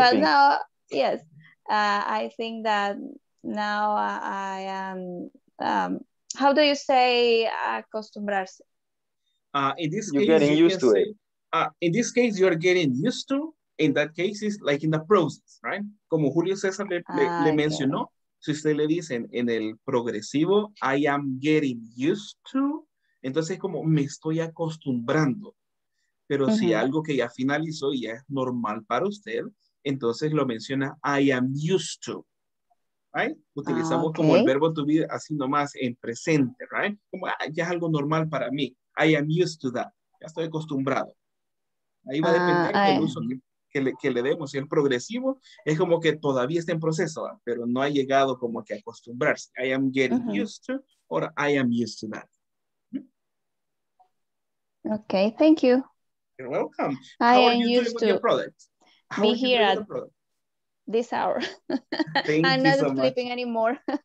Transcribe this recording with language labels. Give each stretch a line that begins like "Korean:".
English: But now, yes, I think that now I am, how do you say acostumbrarse? In this case, you are getting used to, in that case, is like in the process, right?
Spanish: Como Julio César le mencionó. Yeah. Si usted le dice en el progresivo,
English: I am getting used to,
Spanish: entonces como me estoy acostumbrando. Pero uh-huh. Si algo que ya finalizó y ya es normal para usted, entonces lo menciona,
English: I am used to.
Spanish: Right? Utilizamos okay. Como el verbo to be así nomás en presente. Right? Como ya es algo normal para mí.
English: I am used to that.
Spanish: Ya estoy acostumbrado. Ahí va a depender del uso que... Que le demos, y el progresivo es como que todavía está en proceso, ¿verdad? Pero no ha llegado como que acostumbrarse.
English: I am getting
Spanish: uh-huh.
English: used to, or I am used to that. Okay, thank you. You're welcome. How are you doing with your product? Be here at this hour. I'm not sleeping anymore.